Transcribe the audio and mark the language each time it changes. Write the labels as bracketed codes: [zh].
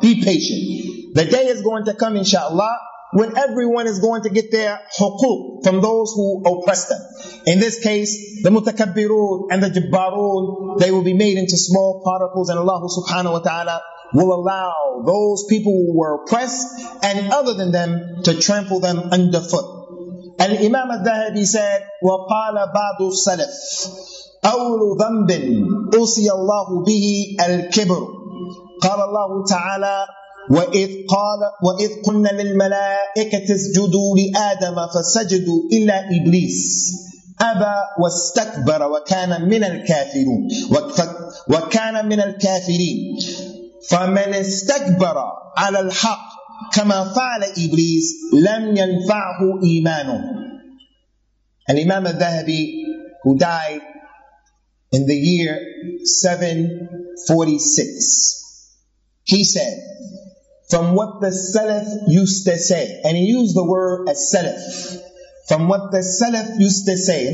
[en] Be patient. The day is going to come, inshallah, when everyone is going to get their huquq from those who oppress them. In this case, the mutakabbirun and the jabbarun, they will be made into small particles, and Allah subhanahu wa ta'ala will allow those people who were oppressed and other than them to trample them underfoot. And Imam al-Dhahabi said, [ar] وَقَالَ بَعْضُ السَّلَفِ أَوْلُ ذَنْبٍ أُوْسِيَ اللَّهُ بِهِ الْكِبْرُ قَالَ اللَّهُ تَعَالَى وَإِذْ قَالَ وَإِذْ قُلْنَا لِلْمَلَائِكَةِ اسْجُدُوا لِآدَمَ فَسَجَدُوا إِلَّا إِبْلِيسَ أبى واستكبر وكان من الكافرين وكان من الكافرين فمن استكبر على الحق كما فعل إبليس لم ينفعه إيمانه. [en] الإمام الذهبي, who died in the year 746, he said, from what the Salaf used to say, and he used the word as Salaf, from what the Salaf used to say.